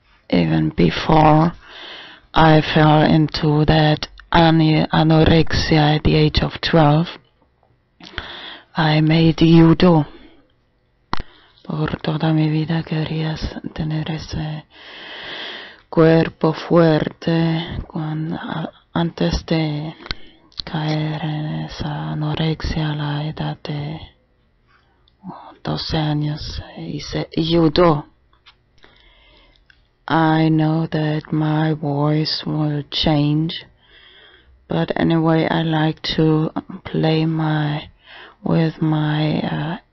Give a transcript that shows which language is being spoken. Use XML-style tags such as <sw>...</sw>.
<en>Even before I fell into that anorexia at the age of 12, I made judo.</en> <es>Por toda mi vida quería tener ese cuerpo fuerte antes de caer en esa anorexia a la edad de 12 años, hice judo.</es> <en>I know that my voice will change, but anyway, I like to play with my</en>